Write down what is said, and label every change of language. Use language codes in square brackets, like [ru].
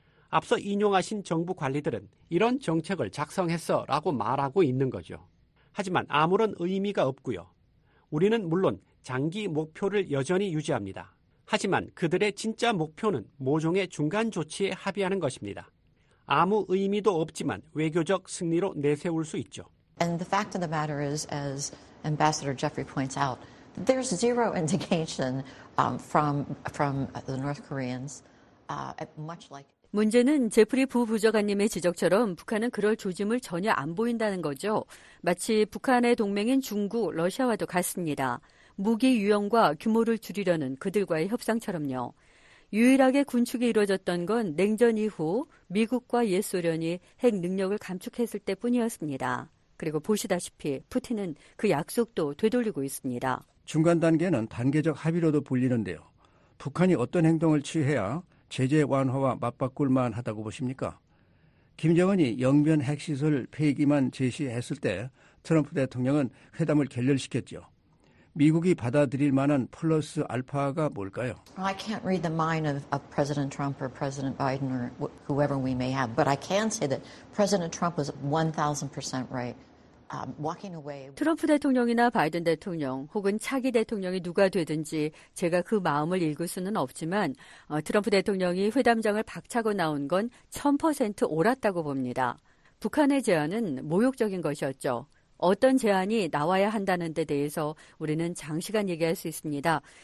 [ko] 앞서 인용하신 정부 관리들은 이런 정책을 작성했어라고 말하고 있는 거죠. 하지만 아무런 의미가 없고요. 우리는 물론 장기 목표를 여전히 유지합니다. 하지만 그들의 진짜 목표는 모종의 중간 조치에 합의하는 것입니다. 아무 의미도 없지만 외교적 승리로 내세울 수 있죠. [en] And the fact of the matter is, as Ambassador Jeffrey points out, there's zero indication from the North Koreans, much like. [ko] 문제는 제프리 부부장관님의 지적처럼 북한은 그럴 조짐을 전혀 안 보인다는 거죠. 마치 북한의 동맹인 중국, 러시아와도 같습니다. 무기 유형과 규모를 줄이려는 그들과의 협상처럼요. 유일하게 군축이 이루어졌던 건 냉전 이후 미국과 옛소련이 핵 능력을 감축했을 때뿐이었습니다. 그리고 보시다시피 푸틴은 그 약속도 되돌리고 있습니다. 중간 단계는 단계적 합의로도 불리는데요. 북한이 어떤 행동을 취해야 제재 완화와 맞바꿀 만하다고 보십니까? 김정은이 영변 핵시설 폐기만 제시했을 때 트럼프 대통령은 회담을 결렬시켰죠. 미국이 받아들일 만한 플러스 알파가 뭘까요? [en] I can't read the mind of President Trump or President Biden or whoever we may have, but I can say that President Trump was 1,000% right. Walking away. [ko] 트럼프 대통령이나 바이든 대통령 혹은 차기 대통령이 누가 되든지 제가 그 마음을 읽을 수는 없지만 트럼프 대통령이 회담장을 박차고 나온 건 1,000% 옳았다고 봅니다. 북한의 제안은 모욕적인 것이었죠. 어떤 제안이 나와야 한다는 데 대해서 우리는 장시간 얘기할 수 있습니다.